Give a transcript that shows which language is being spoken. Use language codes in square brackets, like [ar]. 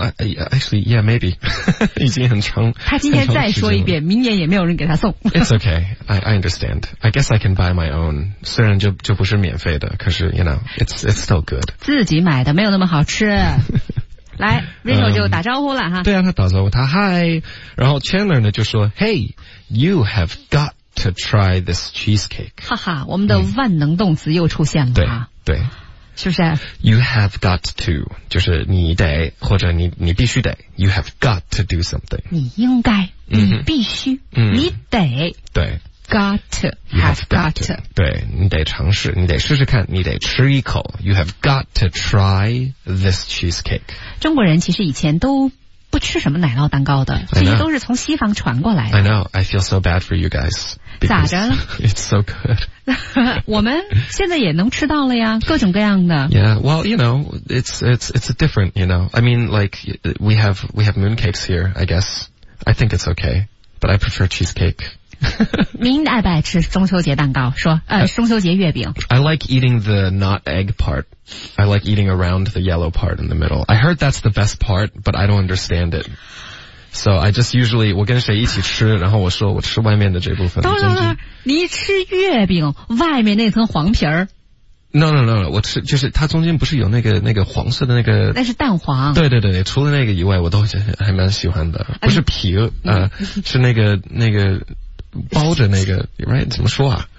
[en] Actually, maybe. [zh] 已经很长。他今天再说一遍，明年也没有人给他送。 [en] It's okay, I understand. I guess I can buy my own. [zh] 虽然就不是免费的，可是 [en] you know, it's still good. [zh] 自己买的没有那么好吃。来 ,Rachel 就打招呼了哈。对啊，他打招呼，他 hi。然后 Chandler 呢就说 [en] ,Hey, you have got,to try this cheesecake. [zh] 哈哈，我们的万能动词又出现了啊。对。是不是 [en] ?You have got to, [zh] 就是你得或者你必须得 [en] ,You have got to do something. [zh] 你应该你必须你得。对。 [en] Got to. [zh] 对，你得尝试，你得试试看，你得吃一口 , [en] You have got to try this cheesecake. [zh] 中国人其实以前都不吃什么奶酪蛋糕的，这些都是从西方传过来的。 [en] I know, I feel so bad for you guys. [zh] 咋着？ [en] It's so good. [zh] 我们现在也能吃到了呀，各种各样的。 [en] Yeah, well, you know, it's a different, you know. I mean, like, we have mooncakes here, I guess. I think it's okay, but I prefer cheesecake. [zh] 您爱不爱吃中秋节蛋糕？说，中秋节月饼。 [en] I like eating the not egg part. I like eating around the yellow part in the middle. I heard that's the best part, but I don't understand it. So I just usually, [zh] 我跟谁一起吃，然后我说我吃外面的这部分。等等，你吃月饼，外面那层黄皮儿。 No, 我吃，就是它中间不是有那个黄色的那个。那是蛋黄。对，除了那个以外，我都还蛮喜欢的。不是皮，是那个包着那个，right？ 怎么说啊？